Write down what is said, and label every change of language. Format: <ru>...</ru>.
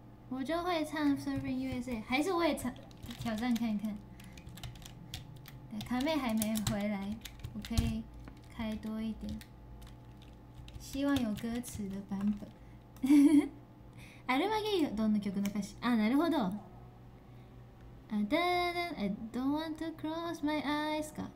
<zh>我就会唱 Serving USA， 还是我也唱挑战看看。卡妹还没回来，我可以开多一点，希望有歌词的版本。</zh> <ja>アルマゲドンの曲の歌詞。あ、なるほど。</ja> <en>あ、だーだー、I don't want to close my eyes か。</en>